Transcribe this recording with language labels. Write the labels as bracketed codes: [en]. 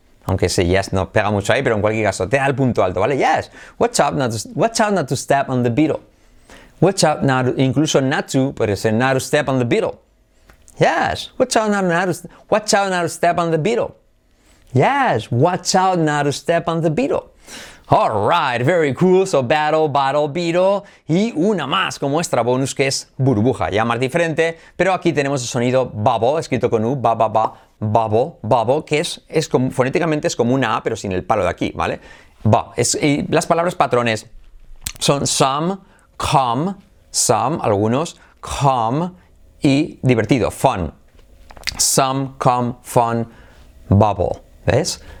[es] Aunque ese yes no pega mucho ahí, pero en cualquier caso, te da el punto alto, ¿vale? [en] Yes. Watch out not to step on the beetle. Watch out not to, incluso not to, puede ser not to step on the beetle. Yes. Watch out not to step on the beetle. Yes. Watch out not to step on the beetle. All right. Very cool. So, battle, battle, beetle. [es] Y una más como extra bonus, que es burbuja. Ya más diferente, pero aquí tenemos el sonido bubble, escrito con U, ba, ba, ba. Babo, babo, que es como, fonéticamente es como una A, pero sin el palo de aquí, ¿vale? Ba, es, y las palabras patrones son some, come, some, algunos, come y divertido, fun. Some, come, fun, bubble, ¿ves?